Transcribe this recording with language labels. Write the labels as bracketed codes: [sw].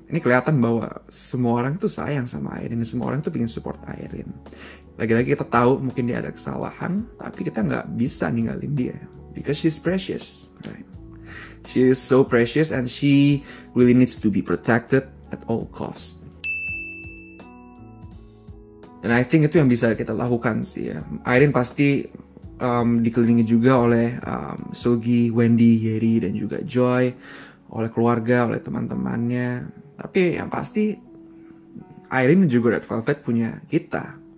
[id] Ini kelihatan bahwa semua orang tuh sayang sama Airin, semua orang tuh pengen support Airin. Lagi-lagi kita tahu mungkin dia ada kesalahan, tapi kita gak bisa ninggalin dia. [en] Because she's precious, right? She is so precious and she really needs to be protected at all cost. And I think [id] itu yang bisa kita lakukan sih ya. Airin pasti dikelilingi juga oleh Sugi, Wendy, Yeri, dan juga Joy. Oleh keluarga, oleh teman-temannya. Tapi yang pasti Airin juga Red Velvet punya kita.